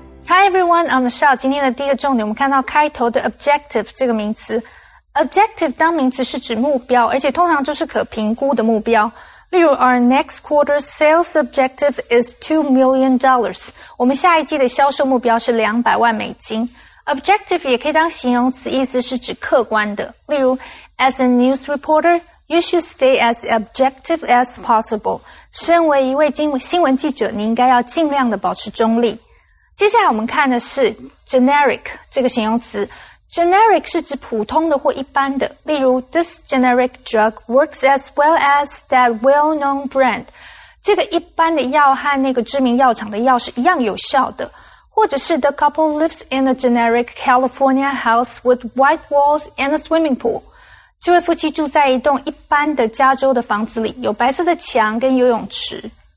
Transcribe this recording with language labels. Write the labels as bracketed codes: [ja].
[en] Hi, everyone. I'm Michelle. [zh] 今天的第一个重点，我们看到开头的 objective 这个名词。 Objective 当名词是指目标，而且通常就是可评估的目标。例如 [en] ,our next quarter's sales objective is $2 million. [zh] 我们下一季的销售目标是200万美金。 Objective 也可以当形容词，意思是指客观的。例如 [en] ,as a news reporter, you should stay as objective as possible. [zh] 身为一位新闻记者，你应该要尽量的保持中立。接下来我们看的是 generic 这个形容词。 [en] Generic [zh] 是指普通的或一般的，例如 [en] This generic drug works as well as that well-known brand. [zh] 这个一般的药和那个知名药厂的药是一样有效的。或者是 [en] The couple lives in a generic California house with white walls and a swimming pool. [zh] 这位夫妻住在一栋一般的加州的房子里，有白色的墙跟游泳池。